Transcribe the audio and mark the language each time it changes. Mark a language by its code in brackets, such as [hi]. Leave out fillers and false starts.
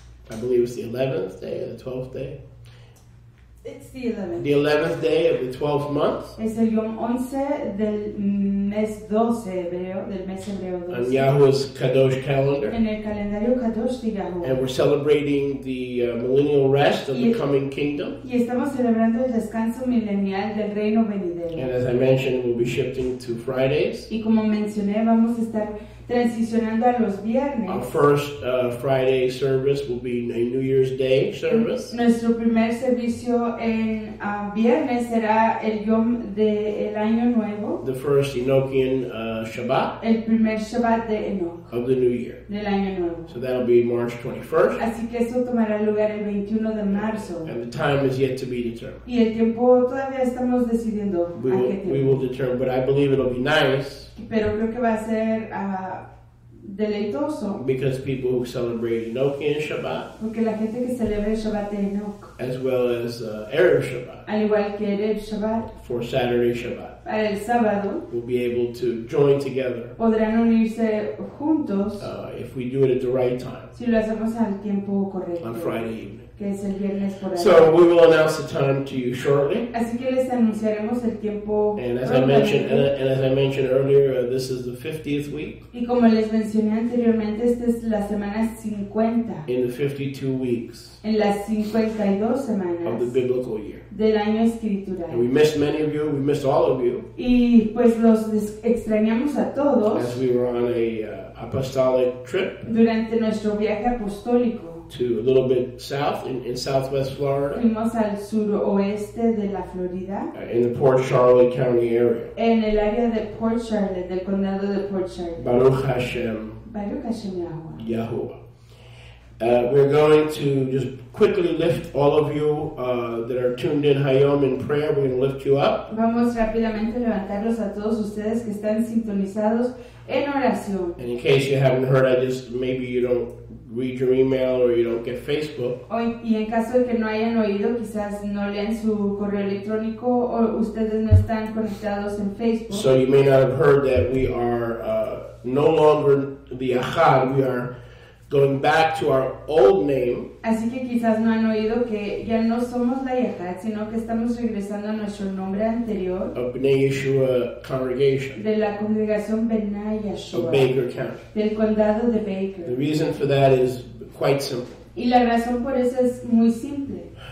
[en] I believe it's the 11th day or the 12th day. It's the 11th. The 11th day of the 12th month. [es] Es el yom 11 del mes 12 hebreo, del mes hebreo 12. [en] On Yahuwah's Kadosh calendar. [es] En el calendario Kadosh de Yahuwah. [en] And we're celebrating the millennial rest of the coming kingdom. [es] Y estamos celebrando el descanso milenial del reino venidero. [en] And as I mentioned, we'll be shifting to Fridays. [es] Y como mencioné, vamos a estar transicionando a los viernes. [en] Our first Friday service will be a New Year's Day service. [es] Nuestro primer servicio en viernes será el Yom de el Año Nuevo. [en] The first Enochian Shabbat. [es] El primer Shabbat de Enoch. [en] Of the New Year. [es] Del Año Nuevo. [en] So that'll be March 21st. [es] Así que eso tomará lugar el 21 de marzo. [en] And the time is yet to be determined. [es] Y el tiempo todavía estamos decidiendo a qué tiempo. [en] We will determine, but I believe it'll be nice. [es] Pero creo que va a ser deleitoso. [en] Because people who celebrate Enoch and Shabbat. [es] Porque la gente que celebra el Shabbat de Enoch. [en] As well as Erev Shabbat. [es] Al igual que Erev Shabbat. [en] For Saturday Shabbat. [es] para el sábado, [en] we'll be able to join together. [es] Podrán unirse juntos, [en] if we do it at the right time. [es] Si lo hacemos al tiempo correcto. [en] On Friday evening. [es] Que es el viernes por ahí. [en] So we will announce the time to you shortly. [es] Así que les anunciaremos el tiempo. [en] And as I mentioned, and as I mentioned earlier, this is the 50th week. [es] Y como les mencioné anteriormente, esta es la semana 50. [en] In the 52 weeks. [es] En las 52 semanas. [en] Of the biblical year. [es] Del año escritural. [en] And we missed many of you. We missed all of you. [es] Y pues los extrañamos a todos. [en] As we were on a apostolic trip. [es] Durante nuestro viaje apostólico. [en] To a little bit south in southwest Florida. [es] Fuimos al suroeste de la Florida. [en] In the Port Charlotte County area. [es] En el área de Port Charlotte, del condado de Port Charlotte. [he] Baruch Hashem. Baruch Hashem Yahuwah. Yahuwah. [en] We're going to just quickly lift all of you that are tuned in Hayom in prayer. We're going to lift you up. [es] Vamos rápidamente a levantarlos a todos ustedes que están sintonizados en oración. [en] And in case you haven't heard, maybe you don't read your email or you don't get Facebook. [es] Y en caso de que no hayan oído, quizás no lean su correo electrónico o ustedes no están conectados en Facebook. [en] So you may not have heard that we are no longer the Achad. We are going back to our old name. [es] Así que quizás no han oído que ya no somos la Yahad, sino que estamos regresando a nuestro nombre anterior. [en] Of Bnei Yeshua Congregation. [es] De la congregación Bnei Yeshua. [en] Of Baker County. [es] Del condado de Baker. [en] The reason for that is quite simple. [es] Y la razón por eso es muy simple.